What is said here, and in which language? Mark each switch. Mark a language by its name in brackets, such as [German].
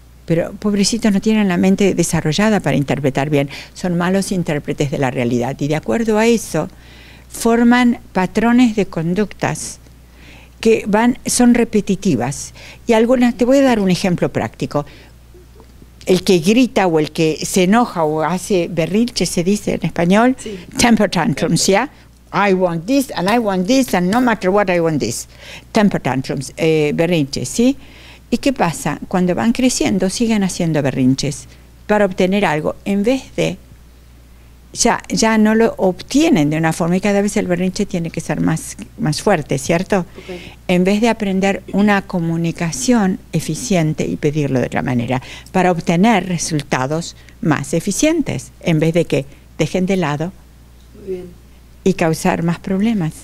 [Spanish] Pero pobrecitos, no tienen la mente desarrollada para interpretar bien, son malos intérpretes de la realidad y de acuerdo a eso forman patrones de conductas que van, son repetitivas. Y algunas, te voy a dar un ejemplo práctico, el que grita o el que se enoja o hace berrinche, se dice en español, sí. [English] Temper tantrums, ¿ya? Yeah? I want this and no matter what I want this. Temper tantrums, [Spanish] berrinches, ¿sí? ¿Y qué pasa? Cuando van creciendo, siguen haciendo berrinches para obtener algo. En vez de, ya no lo obtienen de una forma, y cada vez el berrinche tiene que ser más fuerte, ¿cierto? Okay. En vez de aprender una comunicación eficiente y pedirlo de otra manera, para obtener resultados más eficientes, en vez de que dejen de lado y causar más problemas.